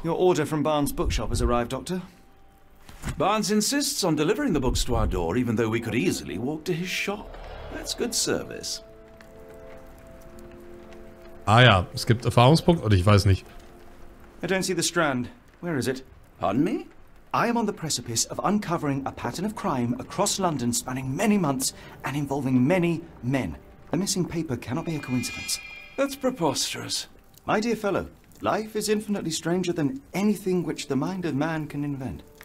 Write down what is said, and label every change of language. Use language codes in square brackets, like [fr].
[en] Your order from Barnes Bookshop has arrived, Doctor. Barnes insists on delivering the books to our door, even though we could easily walk to his shop. That's good service. [de] Ah ja, es gibt Erfahrungspunkte, oder ich weiß nicht. [en] I don't see the strand. Where is it? Pardon me? I am on the precipice of uncovering a pattern of crime across London spanning many months and involving many men. A missing paper cannot be a coincidence. That's preposterous. My dear fellow, life is infinitely stranger than anything which the mind of man can invent.